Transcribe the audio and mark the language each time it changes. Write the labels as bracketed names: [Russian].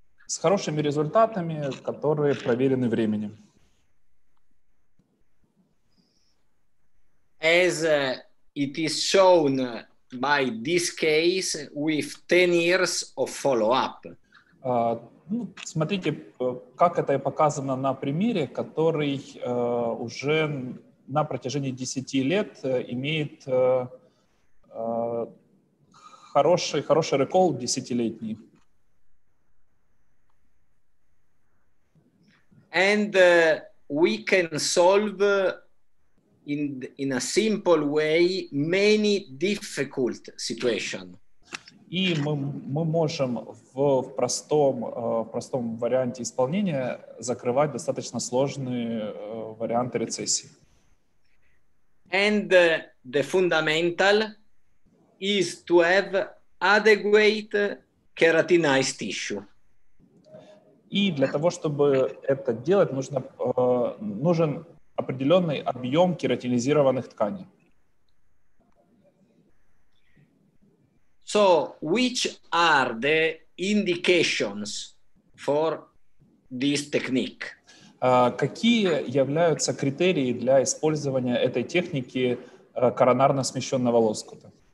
[Russian] С хорошими результатами, которые проверены временем. [English] As it is shown by this case with 10 years of follow-up. [Russian] Смотрите, как это показано на примере, который уже на протяжении 10 лет имеет хороший рекол десятилетний. [English] And we can solve in a simple way many difficult situations. [Russian] И мы можем в простом варианте исполнения закрывать достаточно сложные варианты рецессии. [English] And the fundamental is to have adequate keratinized tissue. [Russian] И для того, чтобы это делать, нужен определенный объем кератинизированных тканей. [English] So, which are the indications for this technique? [Russian] Какие являются критерии для использования этой техники коронарно смещенного лоскута?